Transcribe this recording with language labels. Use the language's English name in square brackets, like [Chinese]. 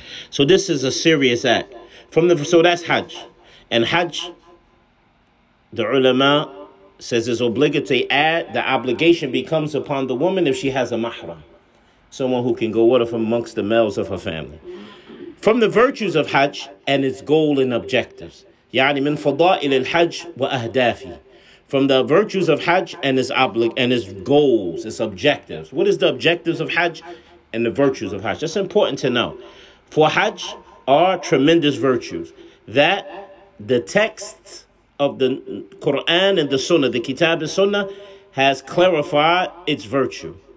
[English] So this is a serious act. So that's Hajj. And Hajj, the ulama says, is obligatory. The obligation becomes upon the woman if she has a mahram, someone who can go with her amongst the males of her family. From the virtues of Hajj and its goal and objectives. [Arabic] يعني من فضائل الحج وأهدافي. [English] From the virtues of Hajj and its goals, its objectives. What is the objectives of Hajj and the virtues of Hajj? That's important to know. For Hajj are tremendous virtues that the texts of the Quran and the Sunnah, the Kitab and Sunnah, has clarified its virtue.